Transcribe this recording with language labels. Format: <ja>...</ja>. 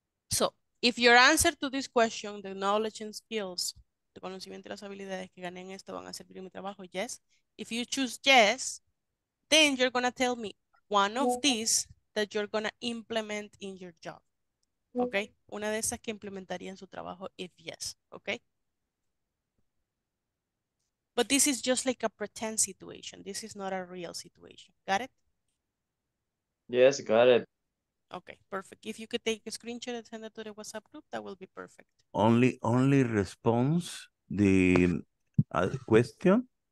<en>So, if your answer to this question, the knowledge and skills, the</en> <es>conocimiento y las habilidades que gané en esto van a servir en mi trabajo,</es> <en>yes. If you choose yes, then you're going to tell me one of these that you're going to implement in your job. Okay?</en> <es>Una de esas que implementaría en su trabajo,</es> <en>if yes. Okay? But this is just like a pretend situation. This is not a real situation. Got it? Yes, got it. Okay, perfect. If you could take a screenshot and send it to the WhatsApp group, that will be perfect. Only response the question?</en>